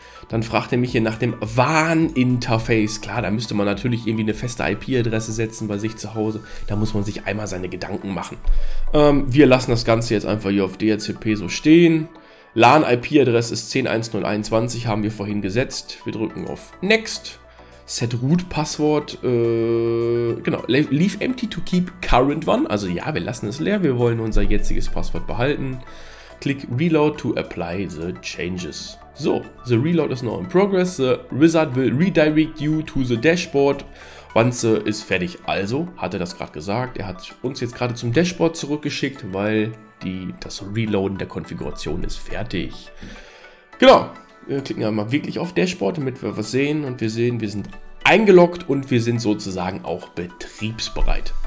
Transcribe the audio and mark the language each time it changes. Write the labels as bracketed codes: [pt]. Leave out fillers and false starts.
[de] Dann fragt er mich hier nach dem WAN-Interface. Klar, da müsste man natürlich irgendwie eine feste IP-Adresse setzen bei sich zu Hause. Da muss man sich einmal seine Gedanken machen. Wir lassen das Ganze jetzt einfach hier auf DHCP so stehen. LAN-IP-Adresse ist 10.1.0.21, haben wir vorhin gesetzt. Wir drücken auf Next. Set Root-Passwort. [en] Genau, leave empty to keep current one. [de] Also ja, wir lassen es leer. Wir wollen unser jetziges Passwort behalten. [en] Klick Reload to apply the changes. So, the reload is now in progress, the wizard will redirect you to the dashboard. [de] Wanze ist fertig, also hat er das gerade gesagt, er hat uns jetzt gerade zum Dashboard zurückgeschickt, weil das Reloaden der Konfiguration ist fertig. Genau, wir klicken einmal wirklich auf Dashboard, damit wir was sehen und wir sehen, wir sind eingeloggt und wir sind sozusagen auch betriebsbereit.